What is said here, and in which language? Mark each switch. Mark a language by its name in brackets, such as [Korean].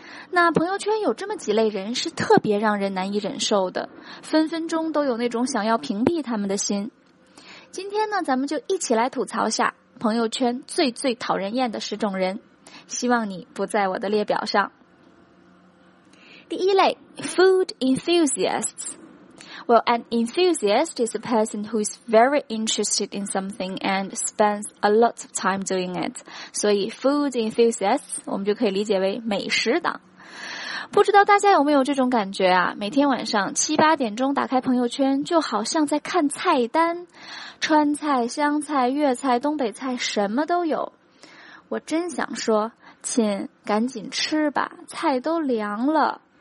[Chinese] 那朋友圈有这么几类人是特别让人难以忍受的，分分钟都有那种想要屏蔽他们的心。今天呢，咱们就一起来吐槽下朋友圈最最讨人厌的十种人，希望你不在我的列表上。第一类 ,food enthusiasts. [English] Well, an enthusiast is a person who is very interested in something and spends a lot of time doing it. [Chinese] 所以 food enthusiasts, 我们就可以理解为美食党。不知道大家有没有这种感觉啊，每天晚上七八点钟打开朋友圈，就好像在看菜单，川菜、湘菜、粤菜、东北菜什么都有。我真想说，亲，赶紧吃吧，菜都凉了。